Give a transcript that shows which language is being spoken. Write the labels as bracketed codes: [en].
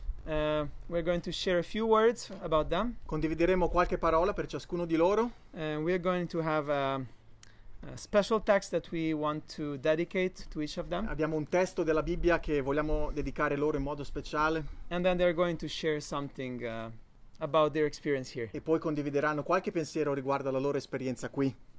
[en] We're going to share a few words about them. [it] Condivideremo qualche parola per ciascuno di loro. [en] We're going to have a special text that we want to dedicate to each of them. [it] Abbiamo un testo della Bibbia che vogliamo dedicare loro in modo speciale. [en] And then they're going to share something about their experience here. [it] E poi condivideranno qualche pensiero riguardo alla loro esperienza qui.